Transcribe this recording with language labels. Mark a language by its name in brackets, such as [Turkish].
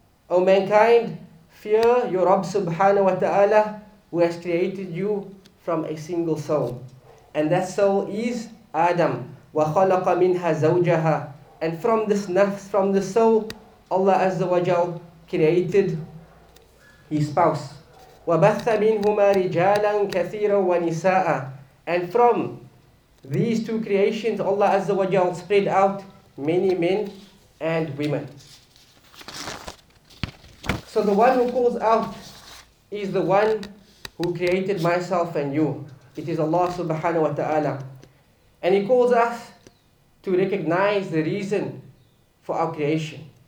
[English] O mankind, fear your Rabb subhanahu wa ta'ala who has created you from a single soul. And that soul is Adam. [Arabic] وخلق منها زوجها. [English] And from this nafs, from the soul, Allah Azza wa Jal created his spouse. [Arabic] وبث منهما رجالا كثيرا ونساء. [English] And from these two creations, Allah Azza wa Jal spread out many men and women. So the one who calls out is the one who created myself and you. It is Allah subhanahu wa ta'ala. And he calls us to recognize the reason for our creation.